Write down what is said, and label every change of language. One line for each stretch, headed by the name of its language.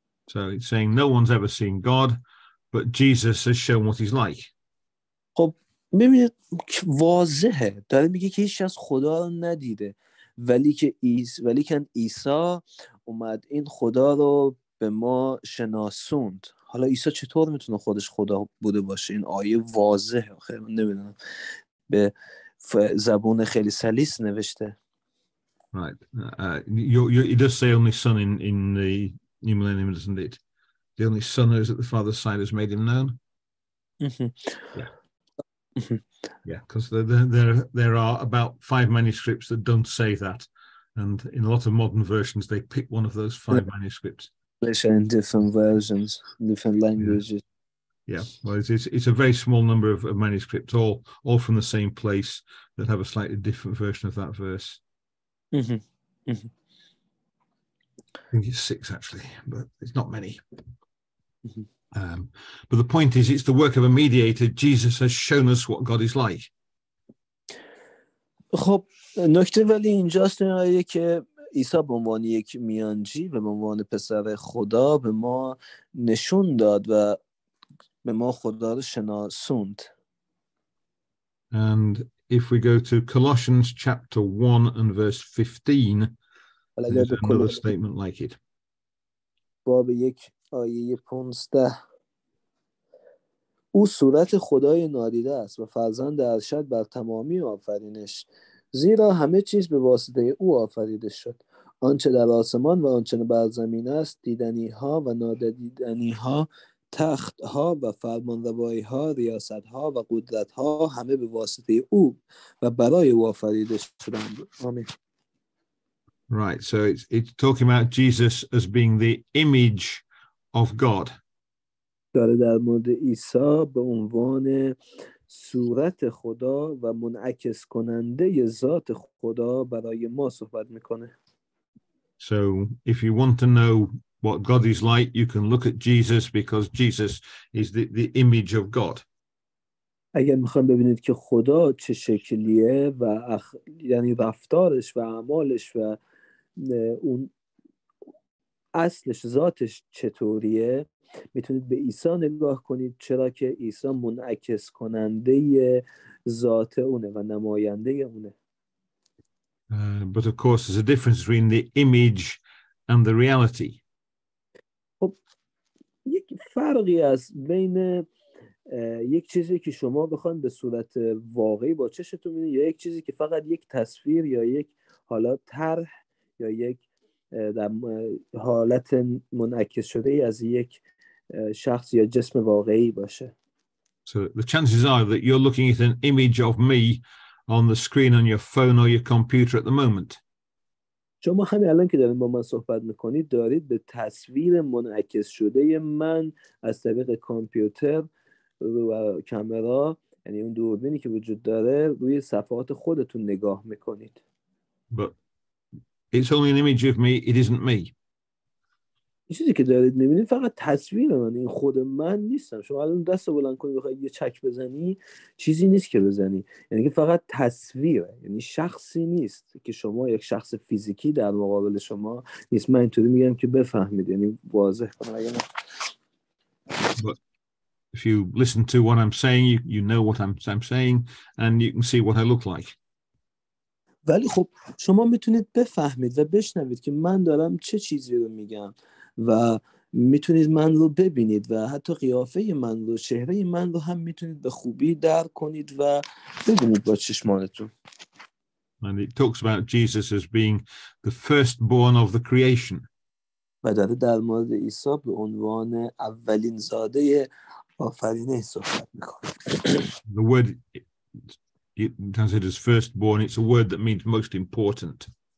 English: So it's saying no one's ever seen God but Jesus has shown what he's like
Persian: خب ببینید واضحه داره میگه که هیچ کس خدا رو ندیده ولی که عیسی اومد این خدا رو به ما شناسوند حالا عیسی چطور میتونه خودش خدا بوده باشه این آیه واضحه خیلی من نمیدونم به زبون خیلی سلیس نوشته
English: Right. It does say only son in the new millennium doesn't it the only son who is at the father's side has made him known yeah, because there are about five manuscripts that don't say that, and in a lot of modern versions they pick one of those five manuscripts. They're in different versions, different languages. Yeah, well, it's a very small number of manuscripts, all from the same place that have a slightly different version of that verse. I think it's six actually, but it's not many. But the point is, it's the work of a mediator. Jesus has shown us what God is like.
Persian: خب نکته ولی اینجاست نهایی که عیسی به عنوان یک میانجی و به عنوان پسر خدا به ما نشون داد و به ما خدا رو شناسوند.
English: And if we go to Colossians chapter 1 and verse 15, there's another statement like it.
Persian: باب یک آیه 15 او صورت خدای نادیده است و فرزند ارشد بر تمامی آفرینش زیرا همه چیز به واسطه او آفریده شد آنچه در آسمان و آنچه بر زمین است دیدنی ها و نادیدنی ها تخت ها و فرمانروایی ها ریاست ها و قدرت ها همه به واسطه او و برای او آفریده شدند آمین
English: Right so it's talking about Jesus as being the image of God
Persian: داره در مورد عیسی به عنوان صورت خدا و منعکس کننده ی ذات خدا برای ما صحبت میکنه.
English: So if you want to know what God is like, you can look at Jesus because Jesus is the image of God.
Persian: اگر میخوایم ببینید که خدا چه شکلیه و یعنی رفتارش و اعمالش و اون اصلش ذاتش چطوریه میتونید به عیسی نگاه کنید چرا که عیسی منعکس کننده ذات اونه و نماینده اونه
English: but of course there's a difference between the image and the reality
Persian: خب یک فرقی است بین یک چیزی که شما بخواید به صورت واقعی با چشتون ببینید یا یک چیزی که فقط یک تصویر یا یک حالا طرح یا یک در حالت منعکس شده ای از یک شخص یا جسم واقعی باشه.
English: So the chances are that you're looking at an image of me on the screen on your phone or your computer at the moment.
Persian: شما همین الان که دارید با من صحبت میکنید دارید به تصویر منعکس شده من از طریق کامپیوتر و کامرا یعنی اون دوربینی که وجود داره روی صفحات خودتون نگاه میکنید.
English: But it's only an image of me, it isn't me.
Persian: چیزی که دارید میبینید فقط تصویر من، این خود من نیستم. شما الان دست بلند کنید بخواید یه چک بزنی، چیزی نیست که بزنی، یعنی که فقط تصویره، یعنی شخصی نیست که شما، یک شخص فیزیکی در مقابل شما نیست. من اینطوری میگم که بفهمید، یعنی واضح کنم. اگر من
English: But if you listen to what I'm saying, you know what I'm saying, and you can see what I look like.
Persian: ولی خب شما میتونید بفهمید و بشنوید که من دارم چه چیزی رو میگم و میتونید من رو ببینید و حتی قیافه من رو، چهره من رو هم میتونید به خوبی درک کنید و ببینید با چشمانتون.
English: And it talks about Jesus as being the firstborn of the creation.
Persian: و داره در مورد عیسی به عنوان اولین زاده آفرینه صحبت میکنه.
English: The word it translated as firstborn, it's a word that means most important.